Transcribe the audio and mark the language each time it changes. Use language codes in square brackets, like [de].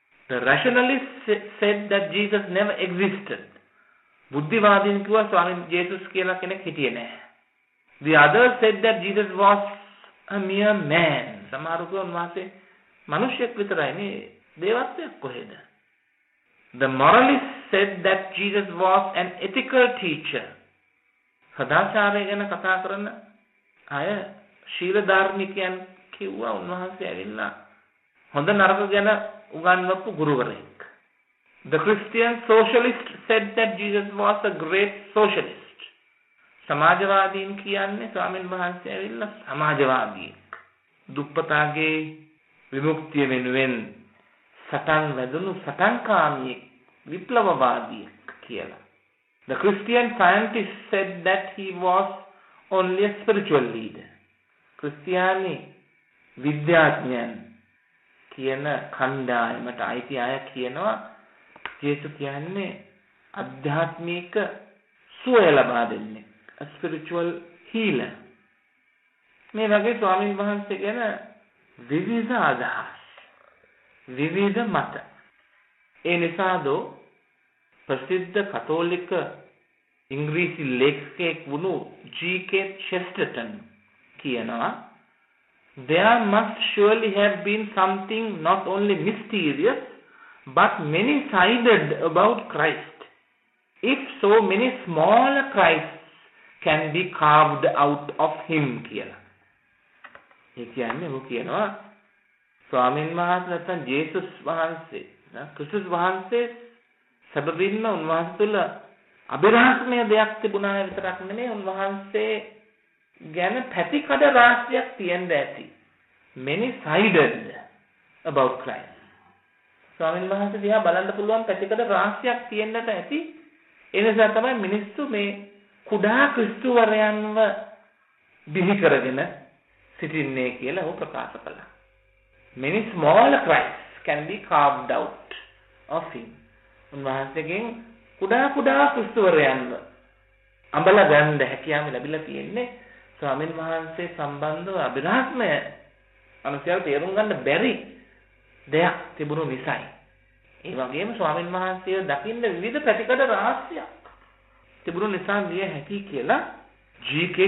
[en] The rationalist said that Jesus never existed. [si] බුද්ධිවාදීන් කිව්වා ස්වාමීන් ජේසුස් කියලා කෙනෙක් හිටියේ නැහැ. [en] The others said that Jesus was a mere man. [si] සමහරු කිව්වා මාසේ මිනිසෙක් විතරයි නේ, දේවත්වයක් කොහෙද? [en] The moralist said that Jesus was an ethical teacher. [si] සදාචාරය ගැන කතා කරන අය ශීල ධර්මිකයන් කිව්වා උන්වහන්සේ ඇවිල්ලා හොඳ නරක ගැන උගන්වපු ගුරුවරයෙක්. [en] The Christian socialist said that Jesus was a great socialist. [si] සමාජවාදීන් කියන්නේ ස්වාමීන් වහන්සේ ඇවිල්ලා සමාජවාදීෙක්. දුප්පතාගේ විමුක්තිය වෙනුවෙන් සටන් වැදුණු සටන්කාමියෙක්, විප්ලවවාදියෙක් කියලා. [en] The Christian scientist said that he was only a spiritual leader. [si] ක්‍රිස්තියානි විද්‍යාඥයන් කියන කණ්ඩායමට අයිති අය කියනවා ජේසු කියන්නේ අධ්‍යාත්මික සුවය ලබා දෙන්නේ, [en] a spiritual healer. [si] මේ වගේ ස්වාමීන් වහන්සේ ගැන විවිධ අදහස්, විවිධ මත. ඒ නිසාද ප්‍රසිද්ධ කතෝලික ඉංග්‍රීසි ලේඛකයෙක් වුණු G.K. [en] Chesterton [si] කියනවා, [en] there must surely have been something not only mysterious but many-sided about Christ. If so, many smaller Christs can be carved out of him [si] කියලා. ඒ කියන්නේ ਉਹ කියනවා ස්වාමීන් වහන්සේ නැත්නම් ජේසුස් වහන්සේ නැත්නම් ක්‍රිස්තුස් වහන්සේ සැබවින්ම උන්වහන්සේ තුළ අභිරහස්මය දෙයක් තිබුණා විතරක් නෙමෙයි, උන්වහන්සේ ගැන පැතිකඩ රාශියක් තියෙන්න ඇති. [en] Many sided about Christ. [si] ස්වාමීන් වහන්සේ දිහා බලන්න පුළුවන් පැතිකඩ රාශියක් තියෙන්නට ඇති. ඒ නිසා තමයි මිනිස්සු මේ කුඩා ක්‍රිස්තුවරයන්ව බිහි කරගෙන සිටින්නේ කියලා ਉਹ ප්‍රකාශ කළා. [en] Many small Christ can be carved out of him. [si] උන්වහන්සේගෙන් කුඩා කුඩා ක්‍රිස්තුවරයන්ව අඹල ගන්න හැකියාව ලැබිලා තියෙන්නේ. ස්වාමීන් වහන්සේ සම්බන්ධව අභිරහස්මය අනුසයල් තේරුම් ගන්න බැරි දෙයක් තිබුණු නිසායි. ඒ වගේම ස්වාමීන් වහන්සේ දකින්න විවිධ ප්‍රතිකඩ රහස්‍යයක් තිබුණු නිසා ලිය හැකි කියලා G.K.